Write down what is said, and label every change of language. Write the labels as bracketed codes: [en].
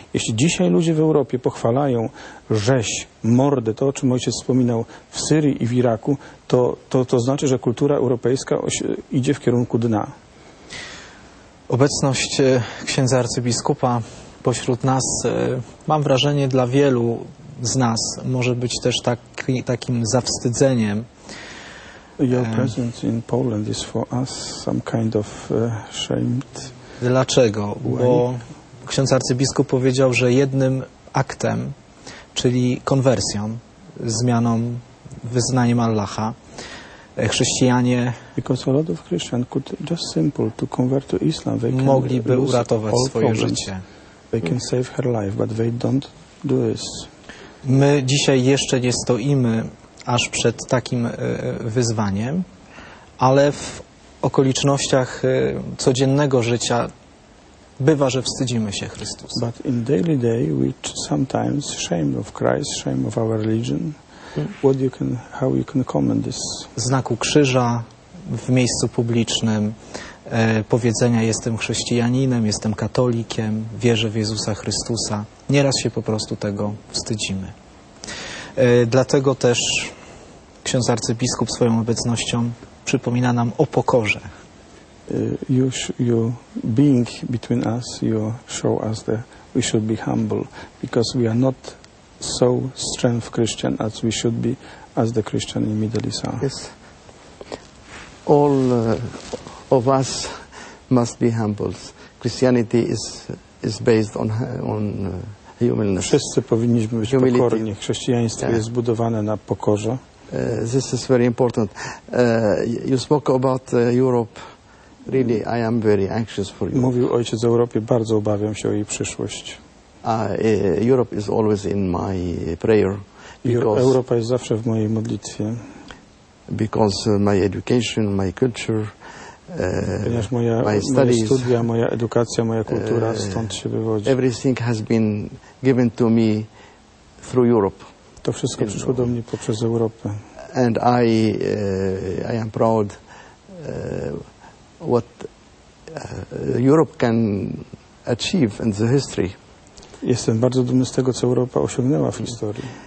[pl] Jeśli dzisiaj ludzie w Europie pochwalają rzeź, mordę, to o czym ojciec wspominał, w Syrii i w Iraku, to znaczy, że kultura europejska idzie w kierunku dna. Obecność księdza arcybiskupa pośród nas, mam wrażenie, dla wielu z nas może być też takim zawstydzeniem. [en] Your presence in Poland is for us some kind of shamed. [pl] Dlaczego? Bo ksiądz arcybiskup powiedział, że jednym aktem, czyli konwersją, zmianą wyznaniem Allaha, chrześcijanie, [en] because a lot of Christians could just simple to convert to Islam, they [pl] mogliby uratować swoje życie. [en] They can save her life, but they don't do this. [pl] My dzisiaj jeszcze nie stoimy aż przed takim wyzwaniem, ale w okolicznościach codziennego życia bywa, że wstydzimy się Chrystusa. [en] But in daily day we sometimes shame of Christ, shame of our religion. What you can, how you can comment this? [pl] Znaku krzyża w miejscu publicznym, powiedzenia jestem chrześcijaninem, jestem katolikiem, wierzę w Jezusa Chrystusa. Nieraz się po prostu tego wstydzimy. Dlatego też ksiądz arcybiskup swoją obecnością przypomina nam o pokorze. [en] You being between us, you show us that we should be humble, because we are not so strength Christian as we should be, as the Christian in Middle East are. Yes. All of us must be humble. Christianity is based on humility. [pl] Wszyscy powinniśmy być pokorni. Chrześcijaństwo jest zbudowane na pokorze. [en] This is very important. You spoke about Europe. Really, I am very anxious for you. [pl] Mówił ojciec o Europie, bardzo obawiam się o jej przyszłość. [en] Europe is always in my prayer. [pl] Europa jest zawsze w mojej modlitwie. [en] because my education, my culture, [pl] ponieważ moja, [en] my studies, [pl] moje studia, moja edukacja, moja kultura stąd się wywodzi. [en] Everything has been given to me through Europe. [pl] To wszystko przyszło do mnie poprzez Europę. [en] And I am proud what Europe can achieve in the history. [pl] Jestem bardzo dumny z tego, co Europa osiągnęła w historii.